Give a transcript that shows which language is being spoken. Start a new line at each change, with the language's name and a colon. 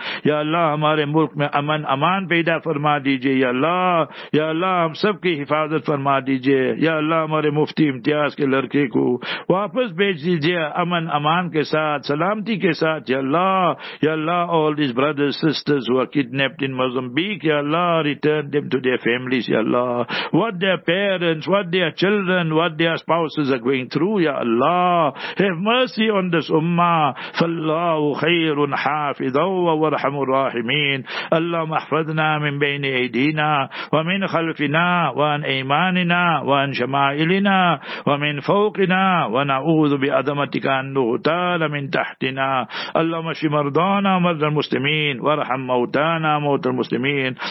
Urdu: يا الله ہمارے ملک میں امن امان پیدا فرما دیجئے يا الله ہم سب کی حفاظت فرما دیجئے يا الله ہمارے مفتی امتیاز کے لڑکے کو واپس بھیج دیجئے امن امان کے ساتھ سلامتی کے ساتھ يا الله
English: all these brothers sisters who are kidnapped in Mozambique
Urdu: يا Allah,
English: return them to their families,
Urdu: Ya Allah.
English: What their parents, what their children, what their spouses are going through, Ya Allah. Have mercy on this ummah.
Arabic: فَاللَّهُ خَيْرٌ حَافِظًا وَرْحَمُ الرَّاحِمِينَ اللهم احفظنا من بين أيدينا ومن خلفنا وعن أيماننا وعن شمائلنا ومن فوقنا ونعوذ بعظمتك أن نغتال من تحتنا اللهم اشف مرضانا ومرضى المسلمين وارحم موتانا وموتى المسلمين